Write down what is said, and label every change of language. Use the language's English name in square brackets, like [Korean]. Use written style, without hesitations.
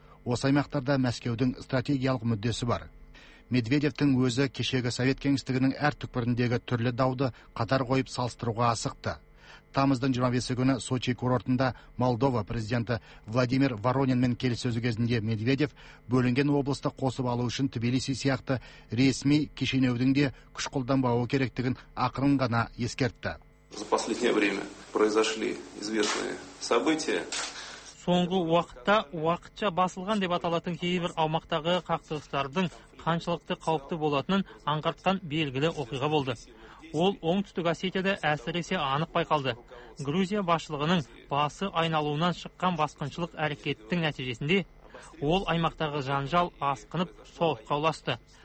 [Kazakh] Осы аймақтарда Мәскеудің стратегиялық мүддесі бар. Медведевтің өзі кешегі Совет кеңістігінің әр түкпіріндегі түрлі дауды қатар қойып салыстыруға асықты. Тамыздың 25 күні Сочи курортында Молдова президенті Владимир Воронинмен келіссөз кезінде Медведев бөлінген облысты қосып алу үшін Тбилиси сияқты ресми кешенеудің де күш қолданбауы керектігін ақырын ғана ескертті. [Russian] За последнее время произошли известные события. [Kazakh] Соңғы уақытта уақытша басылған деп аталатын кейбір аумақтағы қақтығыстардың қаншалықты қауіпті болатынын аңғартқан белгілі оқиға болды. Ол Оңтүстік Осетияда әсіресе анық байқалды. Грузия басшылығының басы айналуынан шыққан басқыншылық әрекеттің нәтижесінде ол аймақтағы жанжал асқынып соғысқа ұласты.